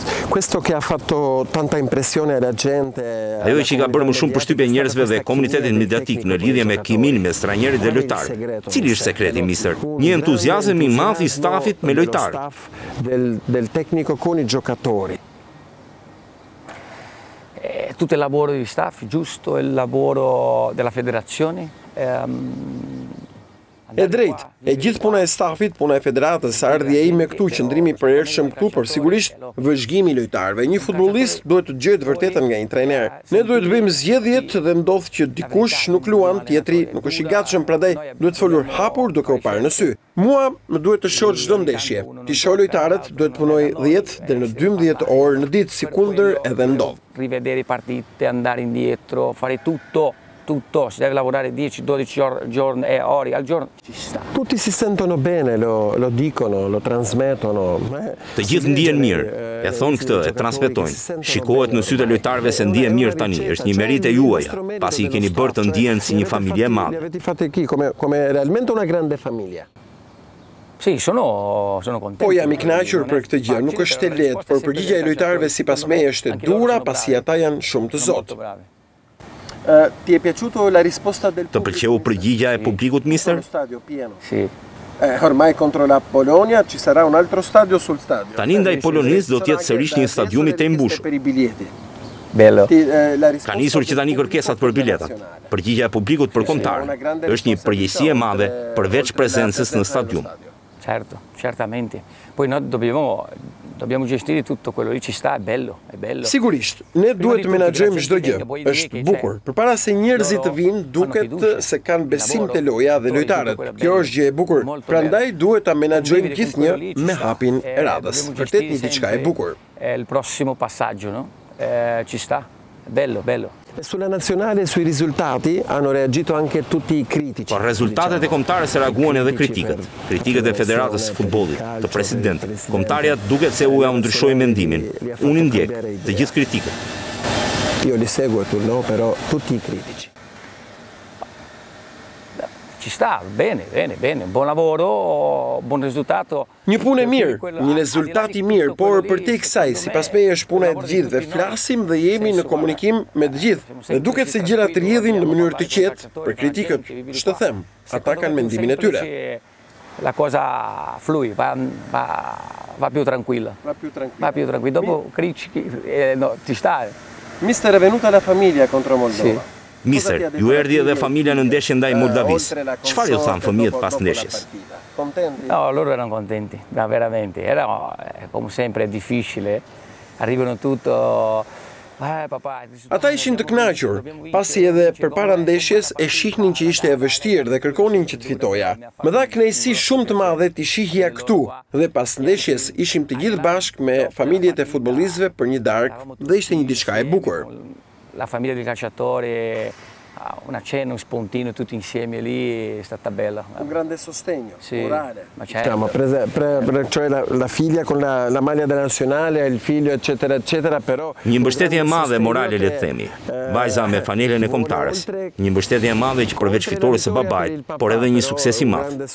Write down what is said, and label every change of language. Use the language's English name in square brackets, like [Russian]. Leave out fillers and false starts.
[Italian] Questo che ha fatto tanta impressione alla gente. [Albanian] Ajo që ka bërë më shumë përshtypje njerëzve dhe komunitetit mediatik në lidhje me kimin mes trajnerit dhe lojtarit. Cili është sekreti, mister? Një entuziazëm i madh i stafit me lojtarët. [Italian] Del tecnico con i giocatori. Tutto il lavoro di staff, giusto il lavoro della federazione. [Albanian] E drejt, e gjithë puna e stafit, puna e federatës, ardhja ime këtu, qëndrimi për hershëm këtu, por sigurisht vëzhgimi i lojtarëve. Një futbollist duhet të gjejë vërtetën nga një trajner. Ne duhet të bëjmë zgjedhjet dhe ndodh që dikush nuk luan, tjetri nuk është i gatshëm, prandaj duhet të folur hapur duke u parë në sy. Mua më duhet të shoh çdo ndeshje. Ti shoh lojtarët, duhet të punoj 10 deri në 12 orë në ditë, sikundër edhe ndodh. [Italian] Rivedere partite, andare indietro, fare tutto, si deve lavorare 10-12 ore al giorno. Tutti si sentono bene, lo dicono, lo trasmettono. [Albanian] Të gjithë ndihen mirë, e thonë këtë, e transmetojnë. Shikohet në sytë e lojtarëve se ndihen mirë tani, është një merit e juaja, pasi i keni bërë të ndihen si një familje madhe. [Italian] Avete fatto qui come realmente una grande famiglia. Sì, sono contento. [Albanian] Po jam i kënaqur për këtë gjë, nuk është e lehtë, por përgjigja e lojtarëve sipas meje është e dura, pasi ata janë shumë të zotë. [Italian] Ti è piaciuto la risposta del [Albanian] pubblico? Të pëlqeu përgjigja e publikut, mister? [Italian] Stadio pieno. Sì. Ormai contro la Polonia ci sarà un altro stadio sul stadio. [Albanian] Tani ndaj Polonisë do të jetë sërish një stadium i tërë mbushur. [Italian] Bello. [Albanian] Ka nisur që tani kërkesat për biletat. Përgjigja e publikut për kombëtarë është një përgjegjësi e madhe përveç prezencës në stadium. [Italian] Certo, certamente. Poi noi dobbiamo gestire tutto quello lì ci sta, è bello. [Albanian] Sigurisht, ne duhet të menaxhojmë çdo gjë. Është bukur. Përpara se njerëzit të vinë, duket se kanë besim te loja dhe lojtarët. Kjo është gjë e bukur. Prandaj duhet ta menaxhojmë gjithnjë me hapin e radhës. Vërtet një diçka e bukur. [Italian] È il prossimo passaggio, no? Ci sta. Bello. E sulla nazionale, sui risultati, hanno reagito anche tutti i critici. [Albanian] Por rezultatet e kombëtarës se reaguan edhe kritikët. Kritikët e Federatës Futbolit, të presidentit. Kombëtarja duket se u ja ndryshoi mendimin. Unë ndjek të gjithë kritikët. [Italian] Io li seguo tu no, però tutti i critici. Ci sta, bene, buon lavoro, buon risultato. [Albanian] Një punë e mirë, një rezultat i mirë, por për te i kësaj, si pas meje është puna e të gjithë dhe flasim dhe jemi në komunikim me të gjithë. Dhe duket se gjërat rrjedhin në mënyrë të qetë, për kritikët, ç'të them, ata kanë mendimin e tyre. [Italian] La cosa flui, va più tranquilla. Va più tranquilla. Dopo critici, no, ti sta. Mister è venuta la famiglia contro Moldova. [Albanian] Mister, ju erdhi edhe familja në ndeshje ndaj Moldavisë. Çfarë ju thanë fëmijët pas ndeshjes? [Italian] No, loro erano contenti, veramente. Era come sempre difficile. Arrivano tutto. [Albanian] Ata ishin të kënaqur, pasi edhe përpara ndeshjes e shihnin që ishte e vështirë dhe kërkonin që të fitoja. Më dha kënaqësi shumë të madhe të shihja këtu dhe pas ndeshjes ishim të gjithë bashkë me familjet e futbollistëve për një darkë dhe ishte një diçka e bukur. [Italian] La famiglia del calciatore una cena, un spuntino tutti insieme lì, è stata bella. Un grande sostegno, sì, morale. Ma certo. Siamo cioè la figlia con la maglia della nazionale, il figlio, eccetera, eccetera, però... [Albanian] Një mbështetje e madhe morale, le themi, vajza me fanelen e kombëtares. Një mbështetje e madhe që përveç fitores së babait, por edhe një sukses i madh.